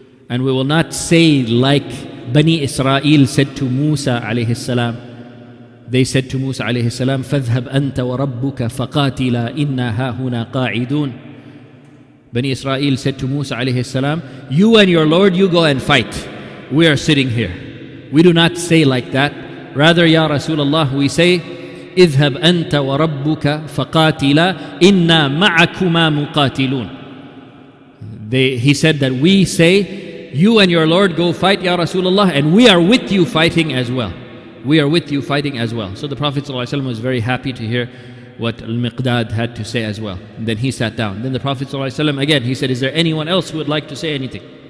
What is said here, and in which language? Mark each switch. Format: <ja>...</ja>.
<en>And we will not say like Bani Israel said to Musa alayhi salam. They said to Musa alayhi salam,</en> <ar>'Fadhhab anta wa rabbuka faqatila inna hahuna qa'idun.'</ar> <en>Bani Israel said to Musa alayhi salam, "You and your Lord, you go and fight. We are sitting here. We do not say like that. Rather, Ya Rasulullah, we say,</en> <ar>اذهب أنت وربك فقاتلا إنا معكما مقاتلون."</ar> <en>He said that we say, "You and your Lord go fight, Ya Rasulullah, and we are with you fighting as well. We are with you fighting as well." So the Prophet ﷺ was very happy to hear what Al-Miqdad had to say as well. And then he sat down. Then the Prophet ﷺ again, he said, "Is there anyone else who would like to say anything?"</en>